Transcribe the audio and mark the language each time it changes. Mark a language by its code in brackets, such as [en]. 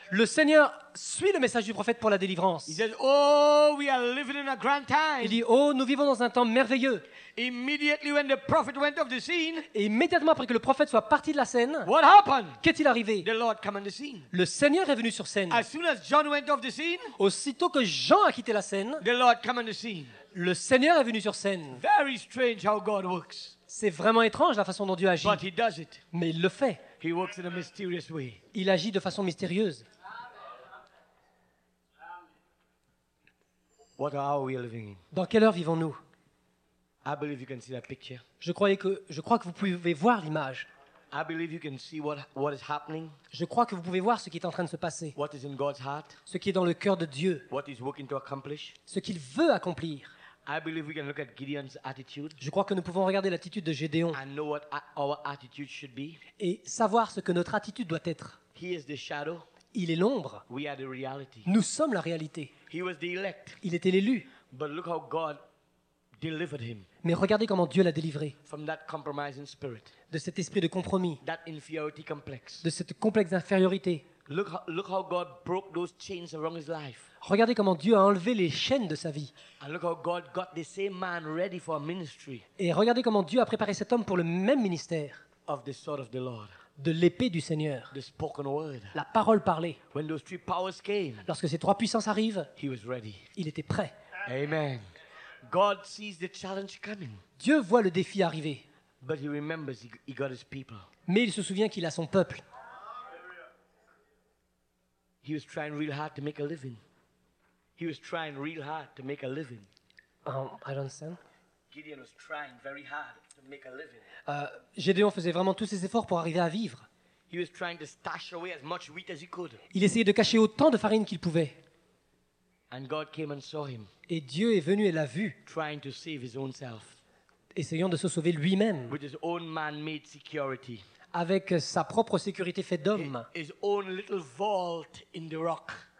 [fr] Le Seigneur suit le message du prophète pour la délivrance. [en] He says, "Oh, we are living in a grand time." [fr] Il dit, oh, nous vivons dans un temps merveilleux. [en] Immediately when the prophet went off the scene, [fr] et immédiatement après que le prophète soit parti de la scène, [en] what happened? [fr] Qu'est-il arrivé? [en] The Lord came on the scene. [fr] Le Seigneur est venu sur scène. [en] As soon as John went off the scene, [fr] aussitôt que Jean a quitté la scène, [en] the Lord came on the scene. [fr] Le Seigneur est venu sur scène. [en] Very strange how God works. [fr] C'est vraiment étrange la façon dont Dieu agit. [en] But he does it. [fr] Mais il le fait. [en] He works in a mysterious way. [fr] Il agit de façon mystérieuse. [en] What hour we are living in? [fr] Dans quelle heure vivons-nous? [en] I believe you can see that picture. [fr] Je crois que vous pouvez voir l'image. [en] I believe you can see what is happening. [fr] Je crois que vous pouvez voir ce qui est en train de se passer. [en] What is in God's heart? [fr] Ce qui est dans le cœur de Dieu. [en] What is working to accomplish? [fr] Ce qu'il veut accomplir. [en] I believe we can look at Gideon's attitude. [fr] Je crois que nous pouvons regarder l'attitude de Gédéon. [en] And know what our attitude should be. [fr] Et savoir ce que notre attitude doit être. [en] He is the shadow. [fr] Il est l'ombre. [en] We are the reality. [fr] Nous sommes la réalité. [en] He was the elect. [fr] Il était l'élu. [en] But look how God delivered him. [fr] Mais regardez comment Dieu l'a délivré. [en] From that compromising spirit. [fr] De cet esprit de compromis. [en] That inferiority complex. [fr] De cette complexe d'infériorité. [en] Look how God broke those chains around his life. [fr] Regardez comment Dieu a enlevé les chaînes de sa vie. [en] And look how God got the same man ready for a ministry. [fr] Et regardez comment Dieu a préparé cet homme pour le même ministère. [en] Of the sword of the Lord. [fr] De l'épée du Seigneur. [en] The spoken word. [fr] La parole parlée. [en] When those three powers came, [fr] lorsque ces trois puissances arrivent, [en] he was ready. [fr] Il était prêt. [en] Amen. God sees the challenge coming. [fr] Dieu voit le défi arriver. [en] But he remembers he got his people. [fr] Mais il se souvient qu'il a son peuple. [en] He was trying real hard to make a living. He was trying real hard to make a living. I don't understand. Gideon was trying very hard to make a living. [fr] Gédéon faisait vraiment tous ses efforts pour arriver à vivre. [en] He was trying to stash away as much wheat as he could. [fr] Il essayait de cacher autant de farine qu'il pouvait. [en] And God came and saw him. [fr] Et Dieu est venu et l'a vu. [en] Trying to save his own self. [fr] Essayant de se sauver lui-même. [en] With his own man-made security. [fr] Avec sa propre sécurité faite d'homme. [en] His own little vault in the rock.